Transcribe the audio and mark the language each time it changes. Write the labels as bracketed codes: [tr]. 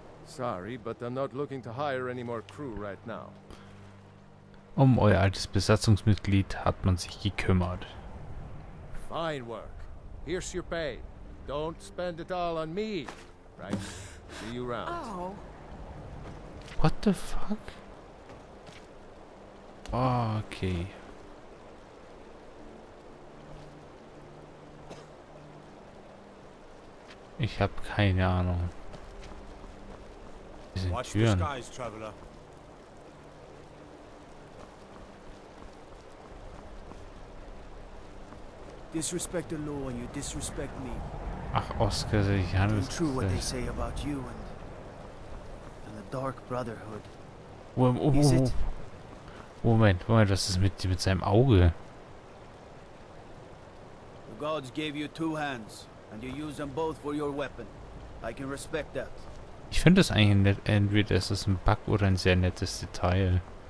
[en] Sorry, but I'm not looking to hire any more crew right now. [de] Um euer altes Besatzungsmitglied hat man sich gekümmert. [en] Fine work. Here's your pay. Don't spend it all on me. Right. See you around. Oh. What the fuck? Okay. [de] Ich hab keine Ahnung. Wir sind Türen. [en] Disrespect the law and you disrespect me. [de] Ach, Oscar, ich handel's. It's [en] true what they say about you and the Dark Brotherhood. [de] Moment, was ist mit seinem Auge? [en] The gods gave you two hands. And you use them both for your weapon. I can respect that. [de] Ich finde es eigentlich nett, entweder ist es ein Bug oder ein sehr nettes Detail.